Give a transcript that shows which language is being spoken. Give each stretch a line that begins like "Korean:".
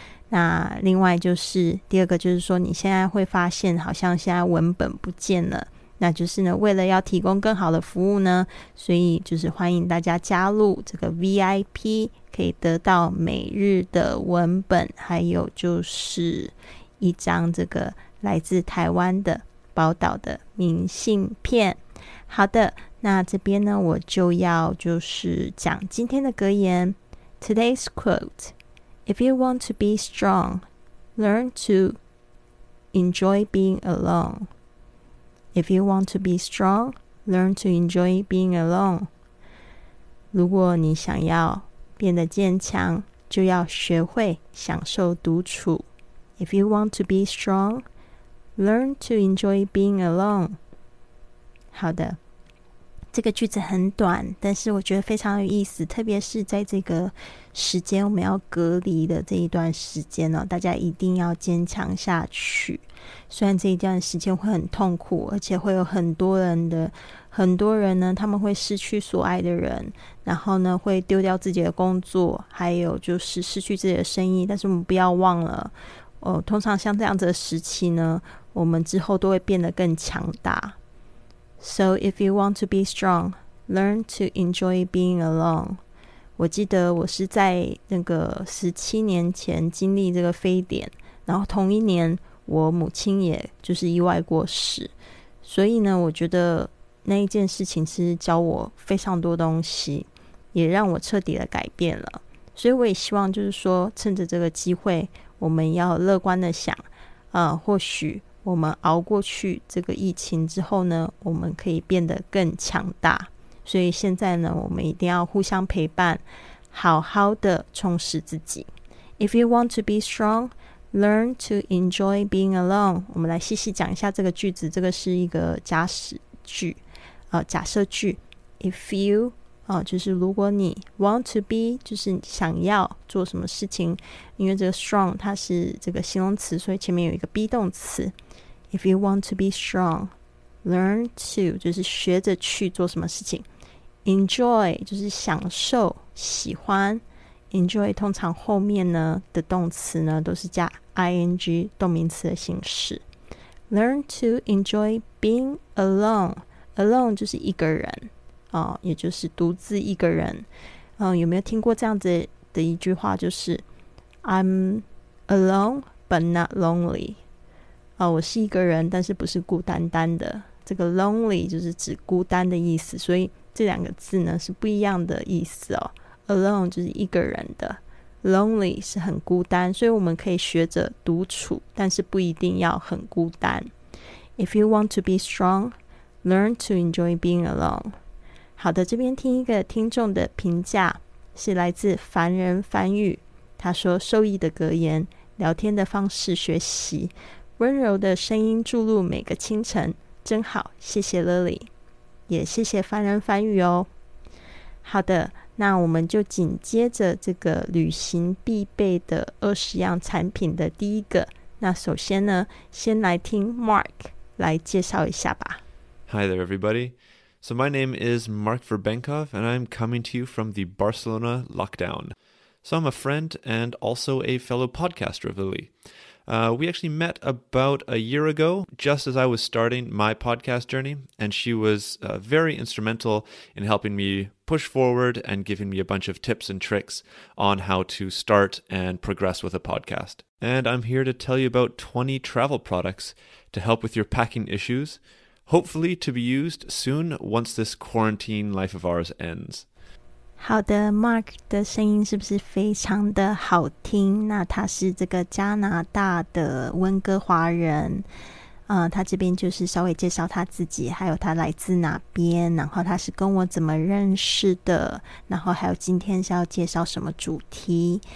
Chinese: 那另外就是第二个就是说，你现在会发现好像现在文本不见了，那就是呢为了要提供更好的服务呢，所以就是欢迎大家加入这个 VIP， 可以得到每日的文本，还有就是一张这个来自台湾的宝岛的明信片。好的，那这边呢我就要就是讲今天的格言。
English: Today's quote: If you want to be strong, learn to enjoy being alone. If you want to be strong, learn to enjoy being alone.
Chinese: 如果你想要变得坚强，就要学会享受独处。
English: If you want to be strong, learn to enjoy being alone.
Chinese: 好的，这个句子很短，但是我觉得非常有意思，特别是在这个时间我们要隔离的这一段时间呢，大家一定要坚强下去。虽然这一段时间会很痛苦，而且会有很多人呢，他们会失去所爱的人，然后呢会丢掉自己的工作，还有就是失去自己的生意，但是我们不要忘了哦，通常像这样子的时期呢，我们之后都会变得更强大。
English: So if you want to be strong, learn to enjoy being alone.
Chinese: 我记得我是在那个17年前经历这个非典，然后同一年我母亲也就是意外过世，所以呢我觉得那一件事情是教我非常多东西，也让我彻底的改变了。所以我也希望就是说趁着这个机会，我们要乐观的想或许我们熬过去这个疫情之后呢，我们可以变得更强大。所以现在呢，我们一定要互相陪伴，好好的充实自己。
English: If you want to be strong, learn to enjoy being alone.
Chinese: 我们来细细讲一下这个句子，这个是一个假使句，假设句。
English: If you,
Chinese: 就是如果你
English: want to be,
Chinese: 就是想要做什么事情，因为这个 strong 它是这个形容词，所以前面有一个 be 动词。
English: If you want to be strong, learn to,
Chinese: 就是学着去做什么事情。 Enjoy, 就是享受、喜欢。Enjoy 通常后面呢的动词呢都是加 ing, 动名词的形式。
English: Learn to enjoy being alone.
Chinese: Alone 就是一个人，也就是独自一个人。有没有听过这样子的一句话，就是
English: I'm alone but not lonely.
Chinese: 我是一个人，但是不是孤单单的。这个 lonely 就是指孤单的意思，所以这两个字呢是不一样的意思哦。 alone 就是一个人的， lonely 是很孤单，所以我们可以学着独处，但是不一定要很孤单。
English: If you want to be strong, learn to enjoy being alone.
Chinese: 好的，这边听一个听众的评价，是来自凡人凡语，他说受益的格言，聊天的方式学习，温柔的声音注入每个清晨，真好，谢谢 Lily， 也谢谢凡人凡语哦。好的，那我们就紧接着这个旅行必备的20样产品的第一个。那首先呢，先来听 Mark 来介绍一下吧。
English: Hi there, everybody. So my name is Mark Verbenkov, and I'm coming to you from the Barcelona lockdown. So I'm a friend and also a fellow podcaster of Lily. We actually met about a year ago, just as I was starting my podcast journey, and she was very instrumental in helping me push forward and giving me a bunch of tips and tricks on how to start and progress with a podcast. And I'm here to tell you about 20 travel products to help with your packing issues, hopefully to be used soon once this quarantine life of ours ends.
Chinese: 好的 ,Mark 的声音是不是非常的好听？那他是这个加拿大的温哥华人，他这边就是稍微介绍他自己，还有他来自哪边，然后他是跟我怎么认识的，然后还有今天是要介绍什么主题。